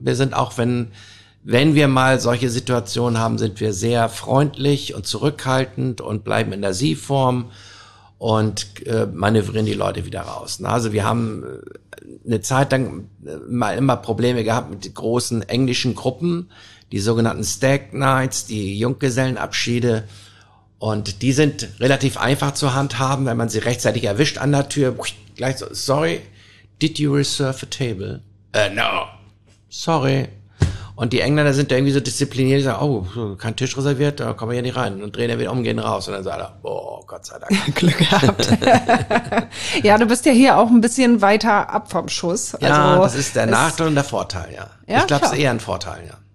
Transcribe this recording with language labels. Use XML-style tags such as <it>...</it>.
<de>Wir sind auch, wenn wir mal solche Situationen haben, sind wir sehr freundlich und zurückhaltend und bleiben in der Sie-Form und manövrieren die Leute wieder raus. Ne? Also wir haben eine Zeit lang mal immer Probleme gehabt mit großen englischen Gruppen, die sogenannten Stag Nights, die Junggesellenabschiede. Und die sind relativ einfach zu handhaben, wenn man sie rechtzeitig erwischt an der Tür. Gleich so,</de> <en>sorry, did you reserve a table? No, sorry.</en> <de>Und die Engländer sind da irgendwie so diszipliniert, die sagen, oh, kein Tisch reserviert, da kommen wir ja nicht rein. Und drehen dann wieder um, gehen raus. Und dann sagen alle, oh, Gott sei Dank. Glück gehabt. Ja, du bist ja hier auch ein bisschen weiter ab vom Schuss. Ja, also, das ist der Nachteil und der Vorteil, ja. Ja, ich glaube, es ist eher ein Vorteil, ja.</de>